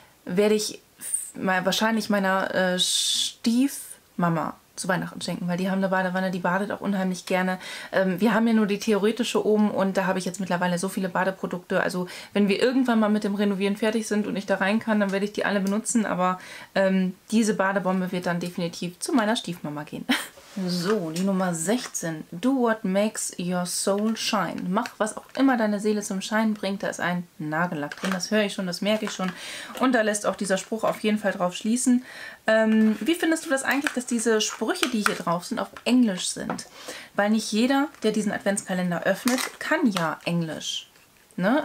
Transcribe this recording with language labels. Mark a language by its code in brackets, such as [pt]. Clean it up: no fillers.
[de] Werde ich wahrscheinlich meiner Stiefmama zu Weihnachten schenken, weil die haben eine Badewanne, die badet auch unheimlich gerne. Wir haben ja nur die theoretische oben und da habe ich jetzt mittlerweile so viele Badeprodukte. Also wenn wir irgendwann mal mit dem Renovieren fertig sind und ich da rein kann, dann werde ich die alle benutzen. Aber diese Badebombe wird dann definitiv zu meiner Stiefmama gehen. So, die Nummer 16. [en] Do what makes your soul shine. [de] Mach, was auch immer deine Seele zum Schein bringt. Da ist ein Nagellack drin. Das höre ich schon, das merke ich schon. Und da lässt auch dieser Spruch auf jeden Fall drauf schließen. Wie findest du das eigentlich, dass diese Sprüche, die hier drauf sind, auf Englisch sind? Weil nicht jeder, der diesen Adventskalender öffnet, kann ja Englisch. Ne?